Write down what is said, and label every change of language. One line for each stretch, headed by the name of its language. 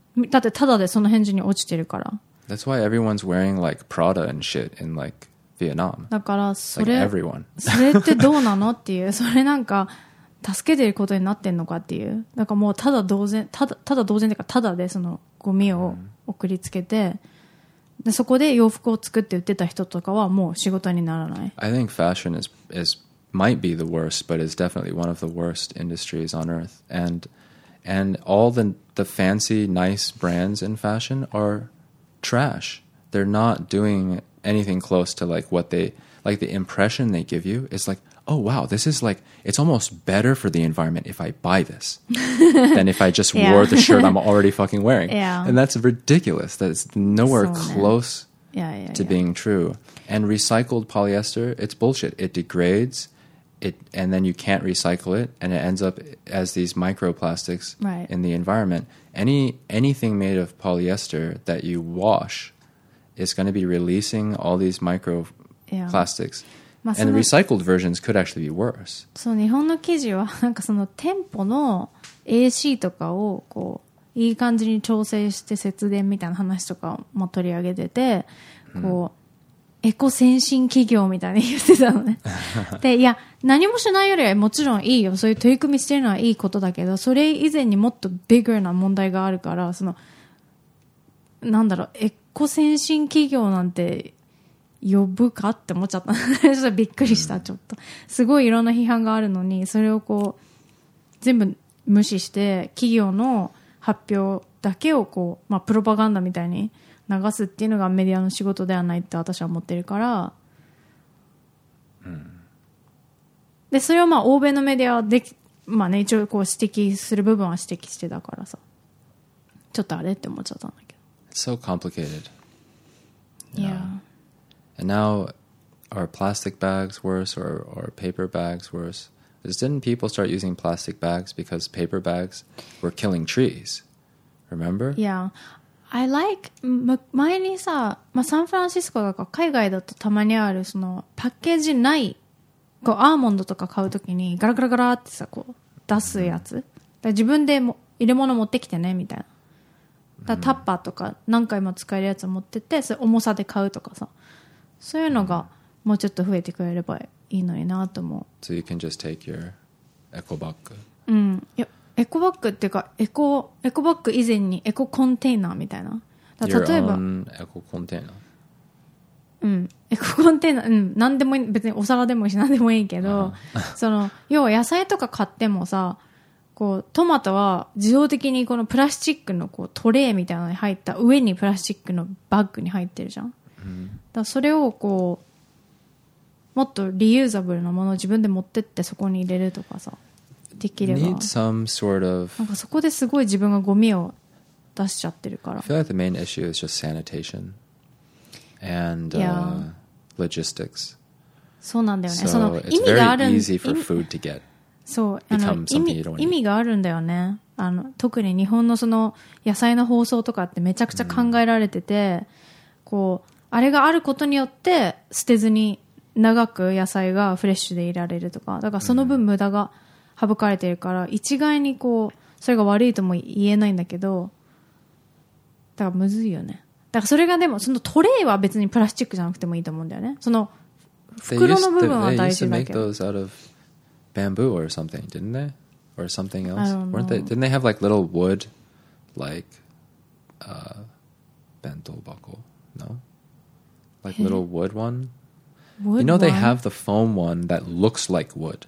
Japanese: だってただでその辺地に落ちてるから。
English: That's why everyone's wearing like Prada and shit in like Vietnam.
Japanese: だからそれ、
English: like everyone.
Japanese: それってどうなのっていう、それなんか助けてることになってんのかっていう、なんかもうただ同然、ただ同然というか、ただでそのゴミを送りつけて、でそこで洋服を作って売ってた人とかはもう仕事にならない。
English: I think fashion is might be the worst, but is definitely one of the worst industries on earth. And all the fancy, nice brands in fashion are trash. They're not doing anything close to like what they, like the impression they give you. It's like, oh wow, this is like, it's almost better for the environment if I buy this than if I just wore the shirt I'm already fucking wearing. Yeah. And that's ridiculous. That's nowhere close to being true. And recycled polyester, it's bullshit. It degrades. It, and then you can't recycle it, and it ends up as these microplastics in the environment. Anything made of polyester that you wash is going to be releasing all these microplastics. And the recycled versions could actually be worse.
Japanese: So, 日本の記事はなんかその店舗の AC とかをこういい感じに調整して節電みたいな話とかも取り上げてて、こう、エコ先進企業みたいに言ってたのね。で、いや、何もしないよりはもちろんいいよ。そういう取り組みしてるのはいいことだけど、それ以前にもっとビッグな問題があるから、その、なんだろう、エコ先進企業なんて呼ぶかって思っちゃった。ちょっとびっくりした、ちょっと。すごいいろんな批判があるのに、それをこう、全部無視して、企業の発表だけをこう、まあ、プロパガンダみたいに、流すっていうのがメディアの仕事ではないって私は思ってるから、でそれをまあ欧米のメディアはでき、まあね、一応こう指摘する部分は指摘してたからさ、ちょっとあれって思っちゃったんだけど。
English: It's so complicated. Yeah. And now, are plastic bags worse or paper bags worse? Because didn't people start using plastic bags because paper bags were killing trees? Remember? Yeah. I like,
Japanese: 前にさ、まあ、サンフランシスコとか海外だとたまにあるそのパッケージないこうアーモンドとか買うときにガラガラガラってさこう出すやつ、だ自分でも入れ物持ってきてねみたいな、だタッパーとか何回も使えるやつ持ってってそれ重さで買うとかさ、そういうのがもうちょっと増えてくれればいいのになと思う。
English: So you can just take your eco bag?
Japanese: うん、よエコバッグっていうかエコバッグ以前にエココンテーナーみたいな、だ例えば
English: Your own
Japanese: エココンテーナー、うん、エココンテーナー、うん、何でもいい、別にお皿でもいいし何でもいいけど、その要は野菜とか買ってもさ、こうトマトは自動的にこのプラスチックのこうトレーみたいなのに入った上にプラスチックのバッグに入ってるじゃん、だそれをこうもっとリユーザブルなものを自分で持ってってそこに入れるとかさ、
English: Need some sort of.
Japanese: なんかそこですごい自分がゴミを出しちゃってるから。
English: I feel like the main issue is just sanitation and logistics.
Japanese: そうなんだよね。
English: So it's very easy for food to get.
Japanese: そう、あの意味があるんだよね。あの特に日本のその野菜の包装とかってめちゃくちゃ考えられてて、こうあれがあることによって捨てずに長く野菜がフレッシュでいられるとか、だからその分無駄が省かれてるから一概にこうそれが悪いとも言えないんだけど、だからむずいよね。だからそれがでもそのトレイは別にプラスチックじゃなくてもいいと思うんだよね。その袋の部分は大事だけど。
English: They used to make those out of bamboo or something, didn't they? Or something else? I don't know. Weren't they? Didn't they have like little wood, like bento buckle? No, like little wood one. Wood you know they one? have the foam one that looks like wood.